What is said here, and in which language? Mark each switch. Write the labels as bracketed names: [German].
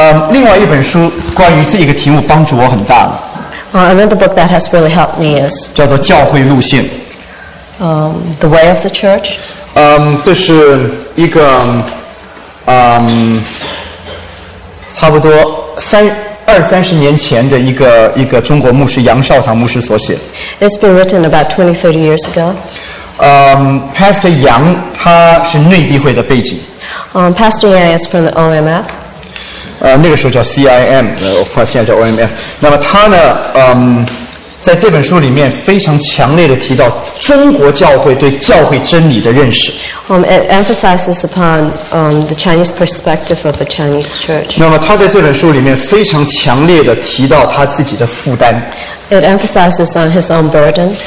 [Chinese] 另外一本书关于这个题目帮助我很大的。 [English] Another book that has really helped me is [Chinese] 叫做《教会路线》。 [English] The Way of the Church。 [Chinese] 这是一个差不多二三十年前的一个中国牧师杨绍堂牧师所写。 [English] It's been written about 20-30 years ago. [Chinese] Pastor Yang 他是内地会的背景。 [English] Pastor Yang is from the OMF. [Chinese] 那个时候叫 CIM， 我发现叫 OMF。那么他呢，在这本书里面非常强烈地提到中国教会对教会真理的认识。 [English] It emphasizes upon the Chinese perspective of the Chinese church. [Chinese] 那么他在这本书里面非常强烈地提到他自己的负担。 [English] It emphasizes on his own burden.